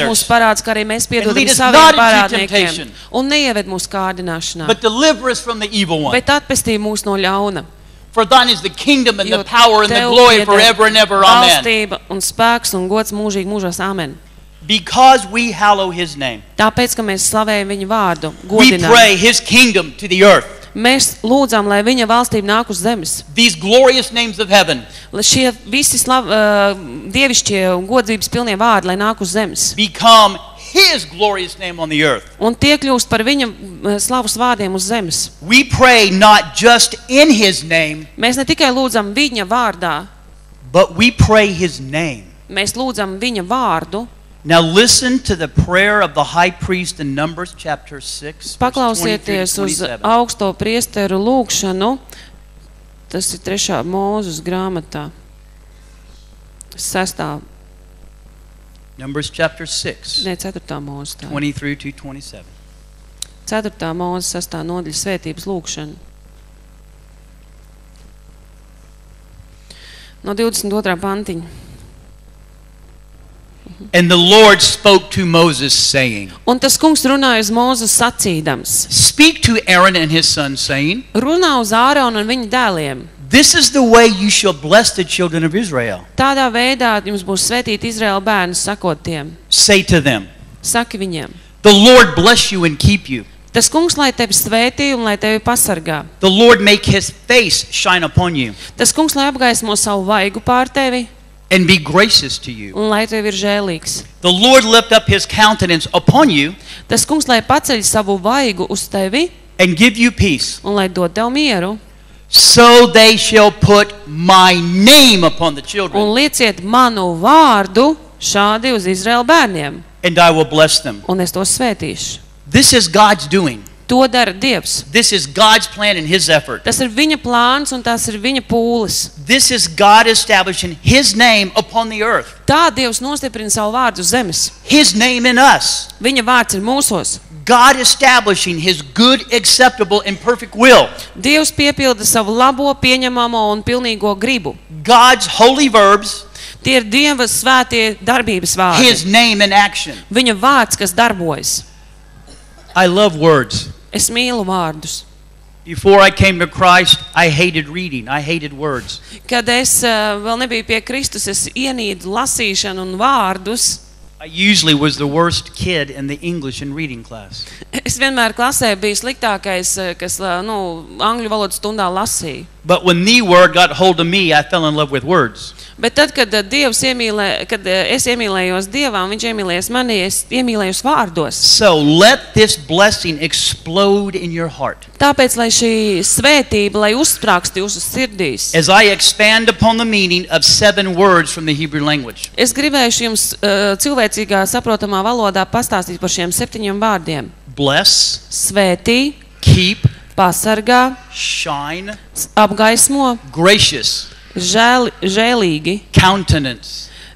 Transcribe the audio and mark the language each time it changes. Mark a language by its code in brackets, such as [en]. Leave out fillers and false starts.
[lv] Piedod mums mūsu parādus, kā arī mēs piedodam saviem parādniekiem. Un neieved mūsu kārdināšanā. [en] But deliver us from the evil one. [lv] Bet atpestī mūs no ļauna. [en] For thine is the kingdom and the power and the glory forever and ever. Amen. [lv] Valstība un spēks un gods mūžīgi mūžos. Amen. [en] Because we hallow his name. [lv] Tāpēc ka mēs slavējam viņa vārdu, godinām. [en] We pray his kingdom to the earth. [lv] Mēs lūdzam, lai viņa valstība nāk uz zemes. [en] These glorious names of heaven. [lv] Lai šie visi dievišķie un godzības pilnie vārdi lai nāk uz zemes. [en] Become his glorious name on the earth. [lv] Un tie kļūst par viņa slavas vārdiem uz zemes. [en] We pray not just in his name. [lv] Mēs ne tikai lūdzam viņa vārdā. [en] But we pray his name. [lv] Mēs lūdzam viņa vārdu. [en] Now listen to the prayer of the high priest in Numbers chapter 6. [lv] Paklausieties uz augsto priesteru lūkšanu. Tas ir 3. Mozus grāmatā. 6. [en] Numbers chapter 6. [lv] Ne, 4. Mozus. 23-27. 4. Mozus 6. Nodaļas svētības lūkšana. No 22. pantiņa. [en] And the Lord spoke to Moses saying. [lv] Un tas Kungs runāja uz Mozu sacīdams. [en] Speak to Aaron and his sons saying. [lv] Runā uz Āronu un viņa dēliem. [en] This is the way you shall bless the children of Israel. [lv] Tādā veidā jums būs svētīt Izraela bērnus sakot tiem. [en] Say to them. [lv] Saki viņiem. [en] The Lord bless you and keep you. [lv] Tas Kungs lai tevi svētī un lai tevi pasargā. [en] The Lord make his face shine upon you. [lv] Tas Kungs lai apgaismo savu vaigu pār tevi. [en] And be gracious to you. [lv] Un lai tev ir žēlīgs. [en] The Lord lift up his countenance upon you. [lv] Tas Kungs lai paceļ savu vaigu uz tevi. [en] And give you peace. [lv] Un lai dod tev mieru. [en] So they shall put my name upon the children. [lv] Un lieciet manu vārdu šādi uz Izraela bērniem. [en] And I will bless them. [lv] Un es tos svētīšu. [en] This is God's doing. [lv] To dara Dievs. [en] This is God's plan and his effort. [lv] Tas ir viņa plāns un tas ir viņa pūlis. [en] This is God establishing his name upon the earth. [lv] Tā Dievs nostiprina savu vārdu uz zemes. [en] His name in us. [lv] Viņa vārds ir mūsos. [en] God establishing his good, acceptable and perfect will. [lv] Dievs piepilda savu labo, pieņemamo un pilnīgo gribu. [en] God's holy verbs. [lv] Tie ir Dieva svētie darbības vārdi. [en] His name in action. [lv] Viņa vārds, kas darbojas. [en] I love words. [lv] Es mīlu vārdus. [en] Before I came to Christ, I hated reading. I hated words. [lv] Kad es vēl nebiju pie Kristus, es ienīdu lasīšanu un vārdus. [en] I usually was the worst kid in the English and reading class. [lv] Es vienmēr klasē biju sliktākais, kas, nu, angļu valodas stundā lasīju. [en] But when the word got hold of me, I fell in love with words. [lv] Bet tad, kad Dievs iemīlē, kad es iemīlējos Dievā un viņš iemīlējas manī, es iemīlējos vārdos. [en] So let this blessing explode in your heart. [lv] Tāpēc, lai šī svētība, lai uzsprāksti jūsu sirdīs. [en] As I expand upon the meaning of seven words from the Hebrew language. [lv] Es gribēšu jums cilvēcīgā saprotamā valodā pastāstīt par šiem septiņiem vārdiem. [en] Bless. [lv] Svētī. [en] Keep. [lv] Pasargā. [en] Shine. [lv] Apgaismo. [en] Gracious. [lv] Žēlīgi. [en] Countenance.